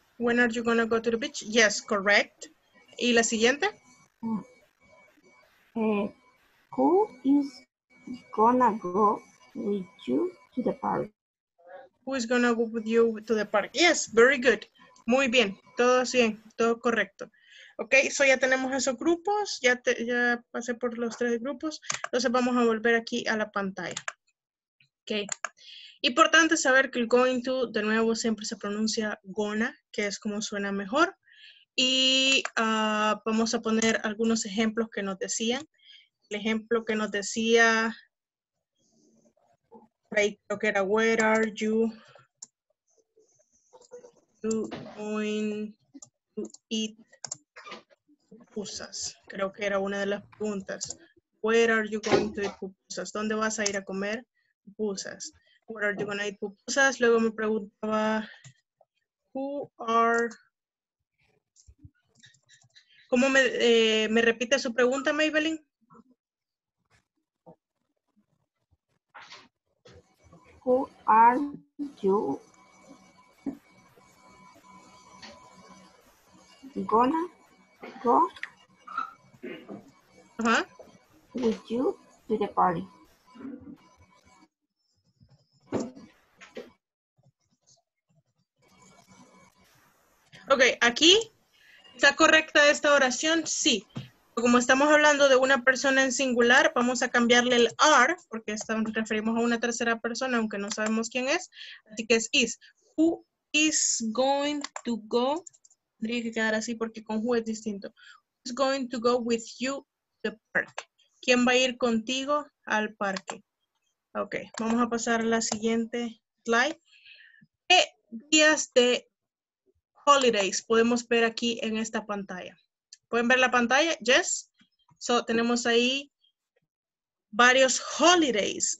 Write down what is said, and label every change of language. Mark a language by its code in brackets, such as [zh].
[en] When are you gonna go to the beach? Yes, correct. [es] ¿Y la siguiente? [en] Who is gonna go with you to the park? Who is gonna go with you to the park? Yes, very good. [es] Muy bien, todo bien, todo correcto. Ok, so ya tenemos esos grupos, ya pasé por los tres grupos. Entonces vamos a volver aquí a la pantalla. Ok. Importante saber que el going to, de nuevo, siempre se pronuncia gonna, que es como suena mejor. Y vamos a poner algunos ejemplos que nos decían. El ejemplo que nos decía, creo que era, [en] where are you going to eat pupusas? [es] Creo que era una de las preguntas. [en] Where are you going to eat pupusas? [es] ¿Dónde vas a ir a comer pupusas? [en] Where are you going to eat pupusas? [es] Luego me preguntaba, ¿cómo me repite su pregunta, Maybelline? [en] Who are you gonna go with you to the party? [es] Okay, aquí, ¿está correcta esta oración? Sí. Como estamos hablando de una persona en singular, vamos a cambiarle el are, porque nos referimos a una tercera persona, aunque no sabemos quién es. Así que es [en] is. Who is going to go? [es] Tendría que quedar así porque con who es distinto. [en] Who is going to go with you to the park? [es] ¿Quién va a ir contigo al parque? Ok, vamos a pasar a la siguiente slide. ¿Qué días de holidays podemos ver aquí en esta pantalla? ¿Pueden ver la pantalla? Yes. So, tenemos ahí varios holidays.